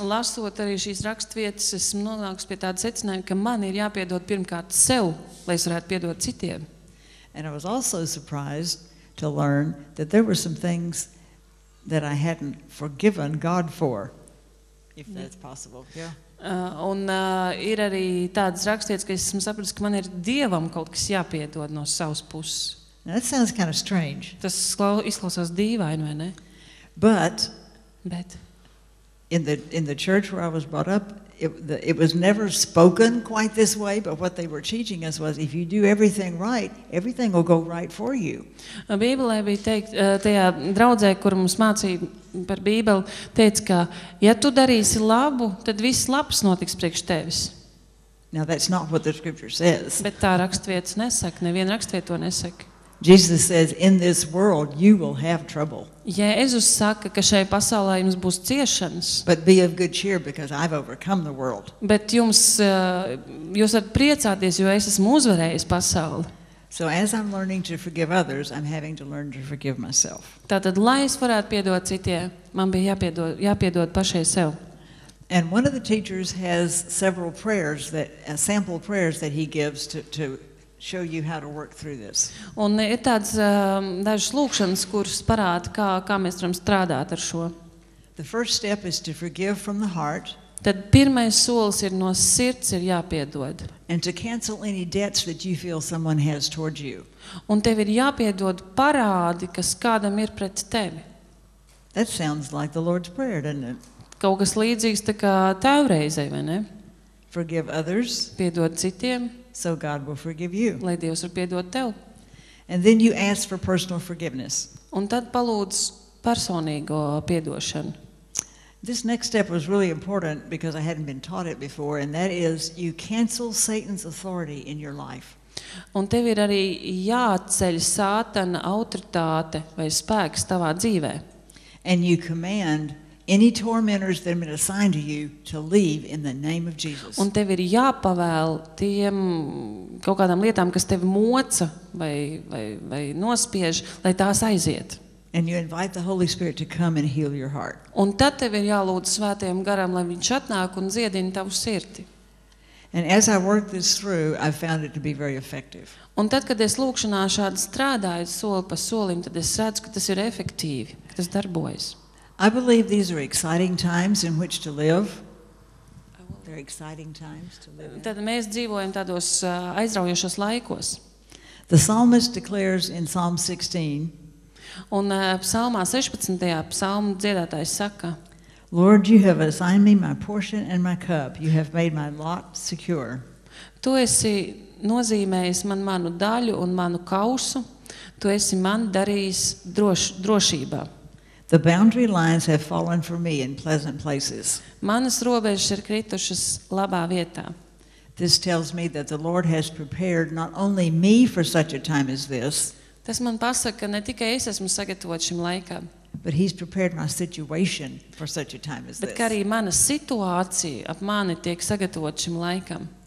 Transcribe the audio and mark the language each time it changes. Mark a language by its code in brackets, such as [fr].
[lv] Lasot arī šīs rakstvietas, esmu nonākusi pie tāda secinājuma, ka man ir jāpiedod pirmkārt sev, lai es varētu piedot citiem. [en] And I was also surprised to learn that there were some things that I hadn't forgiven God for, if that's possible. Yeah. [lv] Ir arī tādas rakstītas, ka esmu sapratis, ka man ir Dievam kaut kas jāpiedod no savas puses. [en] Now that sounds kind of strange. [lv] Tas izklausās dīvaini, vai ne? [en] But in the church where I was brought up, It was never spoken quite this way, but what they were teaching us was if you do everything right, everything will go right for you. [lv] Bībelē bija teikt, tajā draudzē, kur mums mācīja par Bībeli, teica, ka ja tu darīsi labu, tad viss labs notiks priekš tevis. [en] Now that's not what the scripture says. [lv] Bet tā rakstvietas nesaka, neviena rakstvieta to nesaka. [en] Jesus says in this world you will have trouble. [lv] Jēzus saka, ka šai pasaulē jums būs ciešanas. [en] But be of good cheer because I've overcome the world. [lv] Bet jūs varat priecāties, jo es esmu uzvarējis pasauli. [en] So as I'm learning to forgive others, I'm having to learn to forgive myself. [lv] Tātad, lai es varētu piedot citiem, man bija jāpiedod pašai sev. [en] And one of the teachers has several prayers that a sample prayers that he gives to show you how to work through this. [lv] Un ir tāds dažas lūkšanas, kuras parāda, kā mēs varam strādāt ar šo. [en] The first step is to forgive from the heart. [lv] Tad pirmais solis ir no sirds ir jāpiedod. [en] And to cancel any debts that you feel someone has towards you. [lv] Un tev ir jāpiedod parādi, kas kādam ir pret tevi. [en] That sounds like the Lord's Prayer, doesn't it? [lv] Kaut kas līdzīgs tā kā tēvreizei, vai ne? [en] Forgive others. [lv] Piedod citiem. [en] So God will forgive you. [lv] Lai Dievs var piedot tev. [en] And then you ask for personal forgiveness. [lv] Un tad palūdz personīgo piedošanu. [en] This next step was really important because I hadn't been taught it before, and that is you cancel Satan's authority in your life. [lv] Un tev ir arī jāatceļ Sātana autoritāte vai spēks tavā dzīvē. [en] And you command any tormentors that have been assigned to you to leave in the name of Jesus. [lv] Un tev ir jāpavēl tiem kaut kādām lietām, kas tevi moca vai nospiež, lai tās aiziet. [en] And you invite the Holy Spirit to come and heal your heart. [lv] Un tad tev ir jālūdz Svētajam Garam, lai viņš atnāk un dziedina tavu sirdi. [en] And as I worked this through, I found it to be very effective. [lv] Un tad, kad es lūkšanā šādi strādāju soli pa solim, tad es redzu, ka tas ir efektīvi, ka tas darbojas. [en] I believe these are exciting times in which to live. They're exciting times to live. [lv] Tad mēs dzīvojam tādos aizraujošos laikos. [en] The psalmist declares in Psalm 16. [lv] Un psalmā 16. Psalma dziedātājs saka: [en] Lord, you have assigned me my portion and my cup. You have made my lot secure. [lv] Tu esi nozīmējis man manu daļu un manu kausu. Tu esi man darījis drošībā. [en] The boundary lines have fallen for me in pleasant places. [lv] Manas robežas ir kritušas labā vietā. [en] This tells me that the Lord has prepared not only me for such a time as this. [lv] Tas man pasaka, ka ne tikai es esmu sagatavots šim laikam. [en] But he's prepared my situation for such a time as this. [lv] Bet arī mana situācija ap mani tiek sagatavota šim laikam.